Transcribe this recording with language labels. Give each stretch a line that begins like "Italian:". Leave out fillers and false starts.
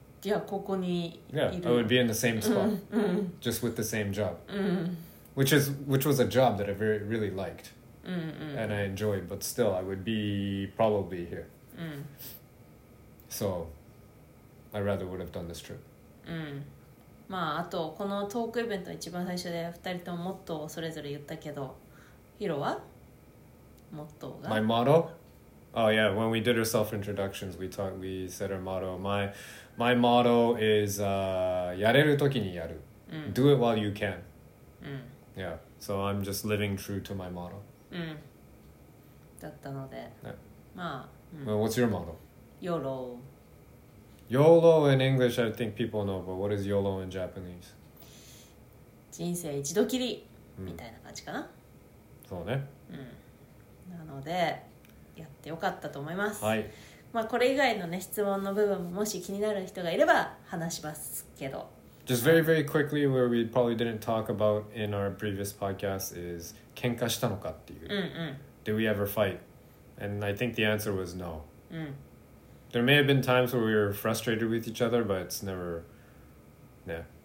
English: I would be in the same spot, just with the same job. Which was a job that I very really liked and I enjoyed, but still, I would be probably here. So, I rather would have done this trip.
Japanese: まあ、あとこのトークイベント一番最初で2人とももっとそれぞれ言ったけど、ヒロはモットーが
English: My motto? Oh yeah, when we did our self-introductions, we said our motto. My motto is、
Japanese: やれるときにやる、
English: Do it while you can、Yeah, so I'm just living true to my motto、
Japanese: だったので、まあ、
English: Well, what's your motto? YOLO YOLO in English, I think people know, but what is YOLO in Japanese?
Japanese: 人生一度きりみたいな感じかな。そうね。なので、やってよかったと思います。はい。まあ、これ以外のね、質問の部分ももし気になる人がいれば話しますけど。
English: Just very, very quickly, where we probably didn't talk about in our previous podcast is
Japanese: 喧嘩したのかっていう。
English: Did we ever fight? And I think the answer was no. There may have been times where we were frustrated with each other, but it's never, yeah.